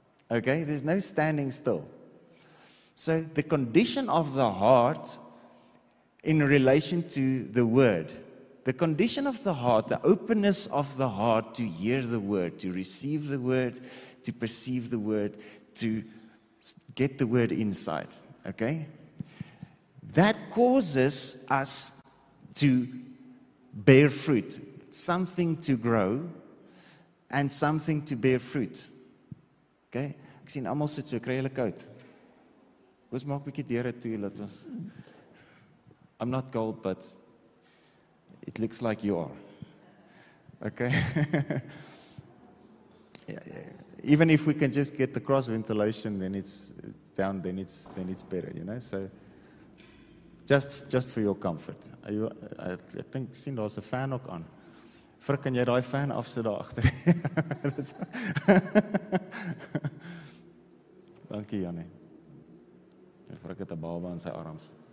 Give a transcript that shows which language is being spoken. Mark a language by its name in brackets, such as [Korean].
[English] Okay, there's no standing still. So the condition of the heart in relation to the word, the condition of the heart, the openness of the heart to hear the word, to receive the word, to perceive the word, to get the word inside, okay? That causes us to bear fruit, something to grow and something to bear fruit, okay? [Afrikaans] Ek sien almal sit so kry hulle koud. Ons maak 'n bietjie deure toe, laat ons. [English] I'm not cold, but it looks like you are. Okay. Even if we can just get the cross ventilation, then it's down, then it's better, you know? So just for your comfort. Are you, I think [Afrikaans] sien daar's 'n fan ook aan. Vir kan jy daai fan afsit daar agter? Dankie Janie. Vir ek het 'n baba in sy arms.